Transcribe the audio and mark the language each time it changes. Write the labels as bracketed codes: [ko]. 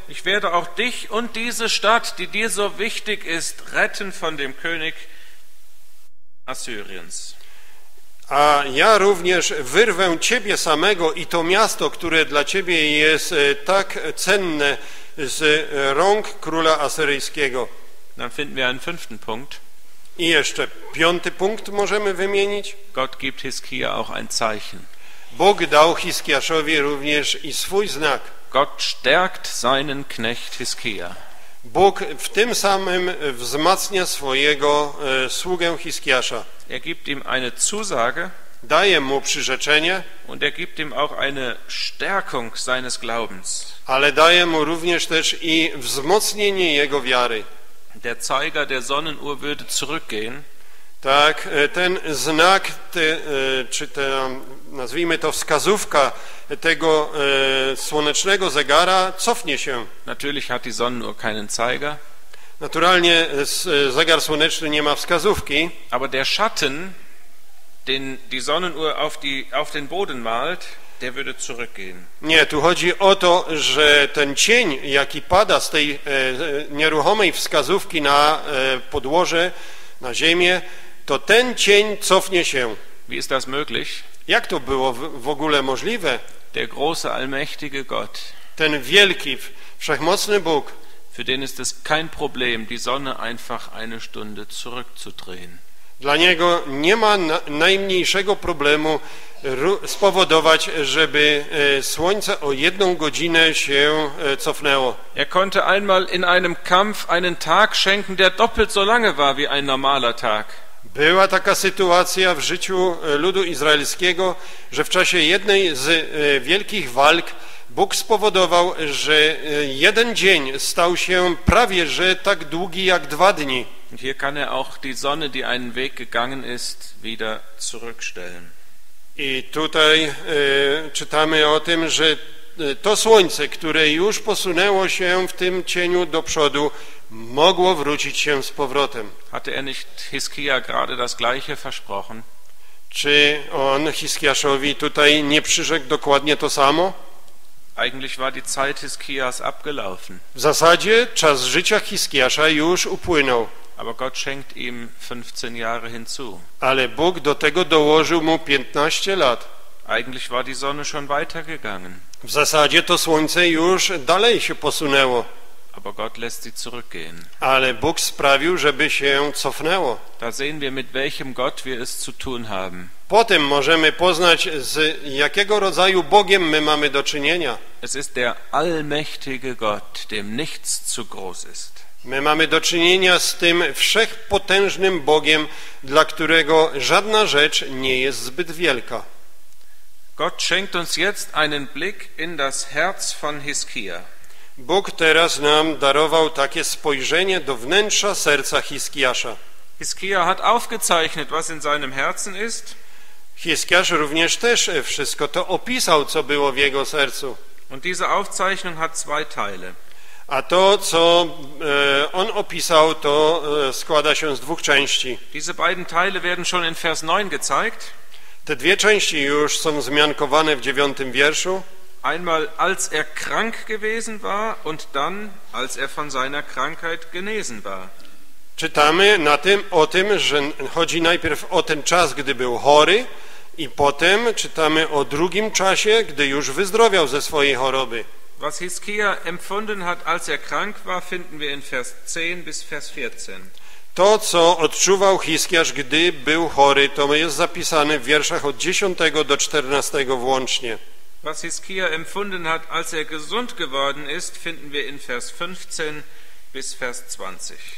[de] Ich werde auch dich und diese Stadt, die dir so wichtig ist, retten von dem König Assyriens. [pl] A ja również wyrwę ciebie samego i to miasto, które dla ciebie jest tak cenne, z rąk króla asyryjskiego. [de] Dann finden wir einen fünften Punkt. [pl] I jeszcze piąty punkt możemy wymienić. [de] Gott gibt Hiskia auch ein Zeichen. [pl] Bóg dał Hiskiaszowi również i swój znak. [de] Gott stärkt seinen Knecht Hiskia. [pl] Bóg w tym samym wzmacnia swojego sługę Hiskiasza. [de] Er gibt ihm eine Zusage. [pl] daje mu przyrzeczenie, [de] und er gibt ihm auch eine Stärkung seines Glaubens. [pl] Ale daje mu również też i wzmocnienie jego wiary. [de] Der Zeiger der Sonnenuhr würde zurückgehen. [pl] Tak, ten znak, czy te, nazwijmy to wskazówka tego słonecznego zegara, cofnie się. [de] Natürlich hat die Sonnenuhr keinen Zeiger. [pl] Naturalnie zegar słoneczny nie ma wskazówki. [de] Aber der Schatten, den die Sonnenuhr auf den Boden malt, der würde zurückgehen. [pl] Nie, tu chodzi o to, że ten cień, jaki pada z tej nieruchomej wskazówki na podłoże, na ziemię, to ten cień cofnie się. [de] Wie ist das möglich? [pl] Jak to było w ogóle możliwe? [de] Der große, allmächtige Gott. [pl] Ten wielki, wszechmocny Bóg. [de] Für den ist es kein Problem, die Sonne einfach eine Stunde zurückzudrehen. [pl] Dla niego nie ma najmniejszego problemu spowodować, żeby słońce o jedną godzinę się cofnęło. [de] Er konnte einmal in einem Kampf einen Tag schenken, der doppelt so lange war wie ein normaler Tag. [pl] Była taka sytuacja w życiu ludu izraelskiego, że w czasie jednej z wielkich walk Bóg spowodował, że jeden dzień stał się prawie że tak długi jak dwa dni. [de] Hier kann er auch die Sonne, die einen Weg gegangen ist, wieder zurückstellen. [pl] I tutaj czytamy o tym, że to słońce, które już posunęło się w tym cieniu do przodu, mogło wrócić się z powrotem. [de] Hatte er nicht Hiskia gerade das gleiche versprochen? [pl] Czy on Hiskiaszowi tutaj nie przyrzekł dokładnie to samo? [de] Eigentlich war die Zeit Hiskias abgelaufen. [pl] W zasadzie czas życia Hiskiasza już upłynął. [de] Aber Gott schenkt ihm 15 Jahre hinzu. [pl] Ale Bóg do tego dołożył mu 15 lat. [de] Eigentlich war die Sonne schon weitergegangen. [pl] W zasadzie to słońce już dalej się posunęło. [de] Aber Gott lässt sie zurückgehen. [pl] Ale Bóg sprawił, żeby się cofnęło. [de] Da sehen wir, mit welchem Gott wir es zu tun haben. [pl] Potem możemy poznać, z jakiego rodzaju Bogiem my mamy do czynienia. [de] Es ist der allmächtige Gott, dem nichts zu groß ist. [pl] My mamy do czynienia z tym wszechpotężnym Bogiem, dla którego żadna rzecz nie jest zbyt wielka. [de] Gott schenkt uns jetzt einen Blick in das Herz von Hiskia. [pl] Bóg teraz nam darował takie spojrzenie do wnętrza serca Hiskiasza. [de] Hiskia hat aufgezeichnet, was in seinem Herzen ist. [pl] Hiskiasz również też wszystko to opisał, co było w jego sercu. [de] Und diese Aufzeichnung hat zwei Teile. [pl] A to, co on opisał, to składa się z dwóch części. [de] Diese beiden Teile werden schon in Vers 9 gezeigt. [pl] Te dwie części już są wzmiankowane w 9 wierszu. [de] Einmal als er krank gewesen war und dann als er von seiner Krankheit genesen war. [pl] Czytamy na tym, o tym, że chodzi najpierw o ten czas, gdy był chory, i potem czytamy o drugim czasie, gdy już wyzdrowiał ze swojej choroby. [de] Was Hiskia empfunden hat, als er krank war, finden wir in Vers 10 bis Vers 14. [pl] To, co odczuwał Hiskiasz, gdy był chory, to jest zapisane w wierszach od 10 do 14 włącznie. [de] Was Hiskia empfunden hat, als er gesund geworden ist, finden wir in Vers 15 bis Vers 20.